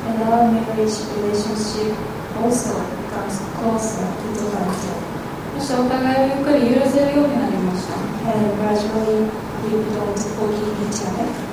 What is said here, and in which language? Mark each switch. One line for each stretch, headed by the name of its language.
English: And our marriage relationship also becomes closer to God.
Japanese: そしてお互いをゆっくり許せるようになりました。
English: And gradually we begin to forgive each other.